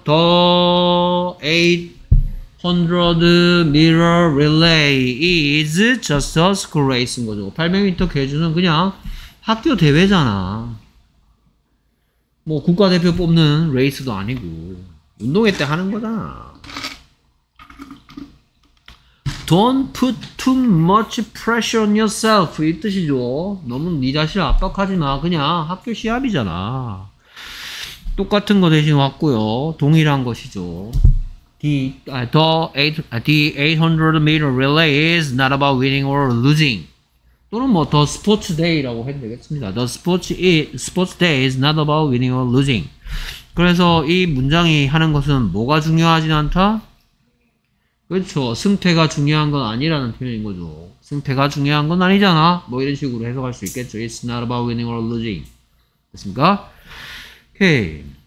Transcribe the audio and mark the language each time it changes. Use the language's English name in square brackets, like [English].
[English] The 800 mirror relay is just a school race [Korean] 인 거죠. 800m 계주는 그냥 학교 대회잖아. 뭐 국가대표 뽑는 레이스도 아니고 운동회 때 하는 거잖아. [English] Don't put too much pressure on yourself. [Korean] 이 뜻이죠. 너무 네 자신을 압박하지 마. 그냥 학교 시합이잖아. 똑같은 거 대신 왔고요. 동일한 것이죠. [English] The 800m relay is not about winning or losing. [Korean] 또는 뭐 [English] the sports day라고 [Korean] 해도 되겠습니다. [English] The sports day is not about winning or losing. [Korean] 그래서 이 문장이 하는 것은 뭐가 중요하진 않다? 그렇죠. 승패가 중요한 건 아니라는 표현인 거죠. 승패가 중요한 건 아니잖아. 뭐 이런 식으로 해석할 수 있겠죠. [English] It's not about winning or losing. [Korean] 됐습니까? 오케이.